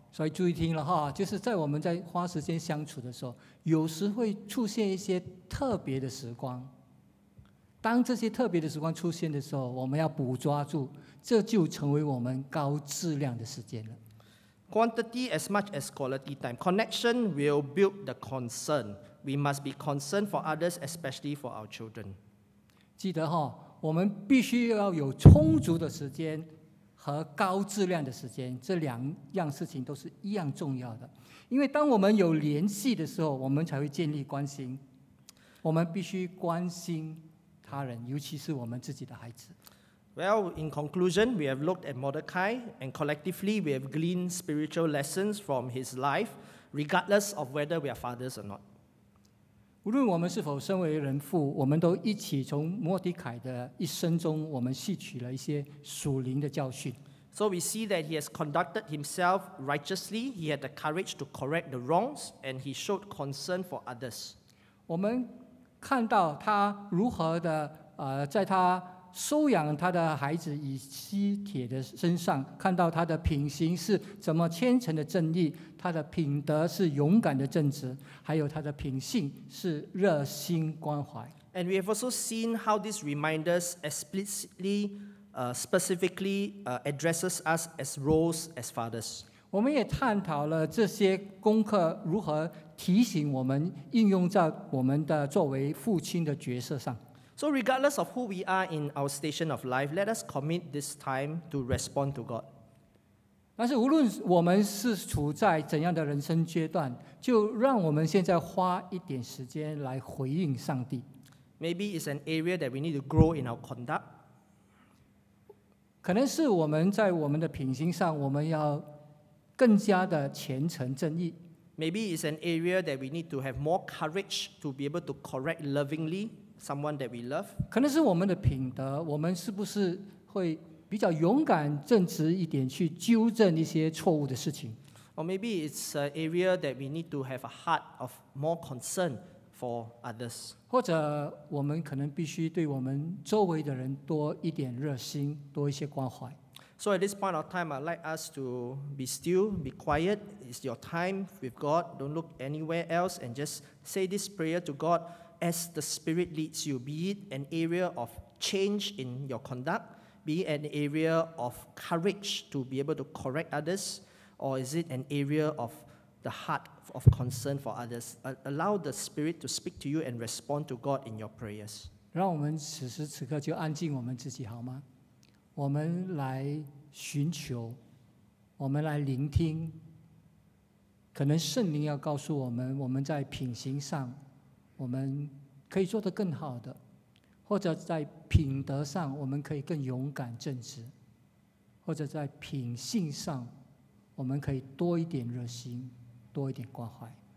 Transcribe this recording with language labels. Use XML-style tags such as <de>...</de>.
<zh>所以注意听了哈，就是在我们在花时间相处的时候，有时会出现一些特别的时光。当这些特别的时光出现的时候，我们要捕抓住，这就成为我们高质量的时间了。</zh> <en>Quantity as much as quality time， connection will build the concern。 We must be concerned for others, especially for our children.</en> <zh>记得哈，我们必须要有充足的时间和高质量的时间，这两样事情都是一样重要的。因为当我们有联系的时候，我们才会建立关心。我们必须关心他人，尤其是我们自己的孩子。</zh> <en>Well, in conclusion, we have looked at Mordecai, and collectively, we have gleaned spiritual lessons from his life, regardless of whether we are fathers or not.</en> <zh>无论我们是否身为人父，我们都一起从摩迪凯的一生中，我们吸取了一些属灵的教训。</zh> <en>So we see that he has conducted himself righteously. He had the courage to correct the wrongs, and he showed concern for others.</en> <zh>我们看到他如何的，在他收养他的孩子以西铁的身上，看到他的品行是怎么虔诚的正义，他的品德是勇敢的正直，还有他的品性是热心关怀。</zh> <en>And we have also seen how this reminders explicitly, specifically, addresses us as roles as fathers.</en> <zh>我们也探讨了这些功课如何提醒我们，应用在我们的作为父亲的角色上。</zh> <en>So regardless of who we are in our station of life, let us commit this time to respond to God.</en> <zh>但是无论我们是处在怎样的人生阶段，就让我们现在花一点时间来回应上帝。</zh> <en>Maybe it's an area that we need to grow in our conduct.</en> <zh>可能是我们在我们的品行上，我们要更加的虔诚正义。</zh> <en>Maybe it's an area that we need to have more courage to be able to correct lovingly someone that we love.</en> <zh>可能是我们的品德，我们是不是会比较勇敢正直一点去纠正一些错误的事情。</zh> <en>Or maybe it's an area that we need to have a heart of more concern for others.</en> <zh>或者我们可能必须对我们周围的人多一点热心，多一些关怀。</zh> <en>So at this point of time, I'd like us to be still, be quiet. It's your time with God. Don't look anywhere else and just say this prayer to God as the Spirit leads you. Be it an area of change in your conduct, be it an area of courage to be able to correct others, or is it an area of the heart of concern for others? Allow the Spirit to speak to you and respond to God in your prayers.</en> <zh>让我们此时此刻就安静我们自己好吗？我们来寻求，我们来聆听，可能圣灵要告诉我们，我们在品行上我们可以做得更好的，或者在品德上我们可以更勇敢正直，或者在品性上我们可以多一点热心，多一点关怀。</zh>